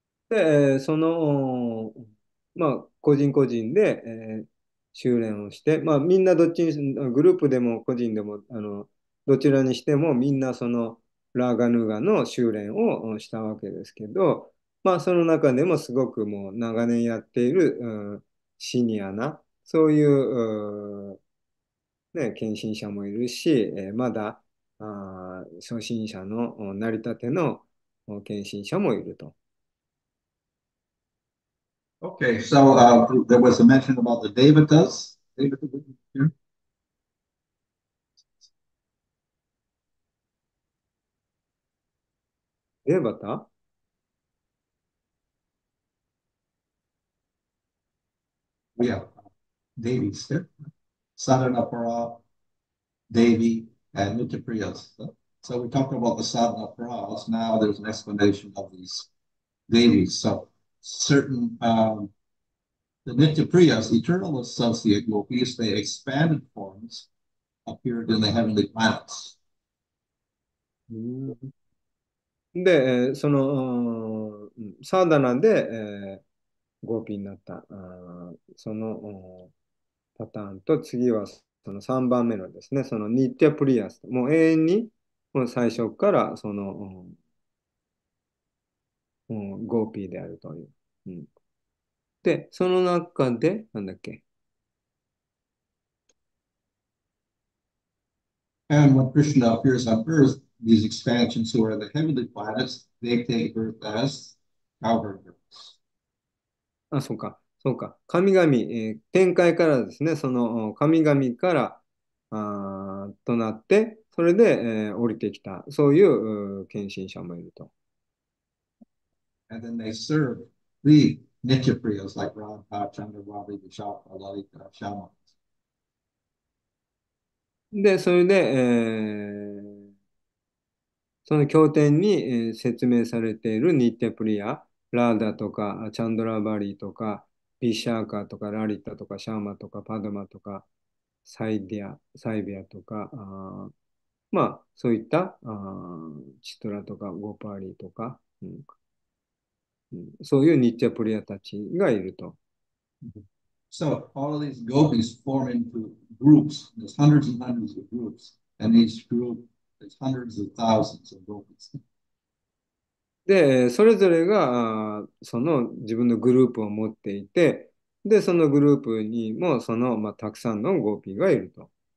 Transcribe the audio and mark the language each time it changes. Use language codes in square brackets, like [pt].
[ja] で、その、まあ、個人個人で、修練をして、まあ、みんなどっちに、グループでも個人でも、どちらにしても、みんなその、ラーガヌーガの修練をしたわけですけど、まあ、その中でもすごくもう長年やっている、シニアな、そういう、ね、献身者もいるし、まだ初心者の成り立ての献身者もいると。 [en] Okay, so there was a mention about the Devatas. Devata, would you hear? Devata? Yeah, Devis, yeah. Sadhanapara, Devi, and Nityapriyas. So we talked about the Sadhanaparas. Now there's an explanation of these Devis. So certain, the Nityapriyas, eternal associate gopis, they expanded forms appeared in the heavenly planets. [ja] で、その、サーダナで、ゴーピーになった、そのパターンと次はその3番目のですね、そのニッテプリアス、もう永遠にもう最初からそのゴーピーであるという。で、その中で、なんだっけ。 [en] And when Krishna appears on earth, these expansions who are the heavenly planets, they take earth as cowherd girls. [ja] あ、そうか、そうか。神々、天界からですね、その神々からとなって、それで、降りてきた、そういう献身者もいると。 [en] And then they serve the Nityapriyas like Radha, Chandra, Ravi, Vishaka, Lalita, Shamans. [ja] で、それで、その経典に、説明されているニッテプリア、ラーダとかチャンドラバリーとかビシャーカーとかラリッタとかシャーマとかパドマとかサイビアとか、まあそういったチトラとかゴパーリーとか、そういうニッチャプリヤたちがいると。 [en] So all of these gopis form into groups. There's hundreds and hundreds of groups, and each group is hundreds of thousands of gopis. [ja] で、それぞれがその自分のグループを持っていて、で、そのグループにもその、まあ、たくさんのゴーピーがいると。